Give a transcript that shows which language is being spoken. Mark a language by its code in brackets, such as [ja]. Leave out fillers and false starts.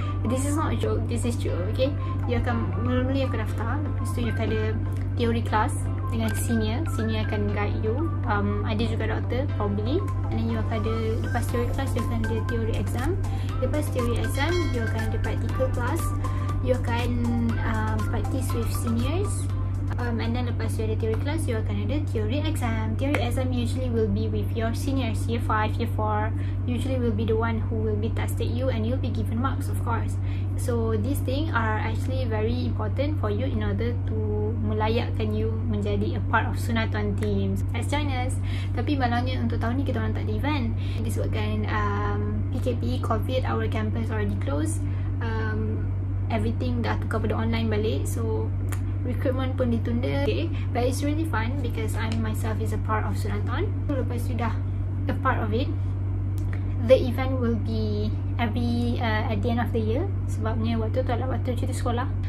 [en] This is not a joke, this is true, okay? [ms] You akan, mula-mula you akan daftar. Lepas tu you akan ada theory class dengan senior. Senior akan [en] guide you. [ms] Ada juga doktor, probably. [en] And then [ms] you akan ada, [en] lepas theory class, you akan ada theory exam. [ms] Lepas theory exam, you akan ada [en] practical class. You akan practice with seniors. And then [ms] lepas you ada [en] theory class, you akan ada theory exam. Theory exam usually will be with your seniors, year 5, year 4. Usually will be the one who will be tested you and you'll be given marks, of course. So these things are actually very important for you in order to [ms] melayakkan you menjadi [en] a part of Sunathon teams. Let's join us. [ms] Tapi malangnya untuk tahun ni kita orang tak ada event. [en] Disebabkan PKP, COVID, our campus already closed. [ms] Everything dah tukar pada online balik. So recruitment pun ditunda. [en] Okay, but it's really fun because I myself is a part of Sunathon. So [ms] lepas you dah [en] a part of it, the event will be every at the end of the year. [ms] Sebabnya waktu tu adalah waktu cuti sekolah.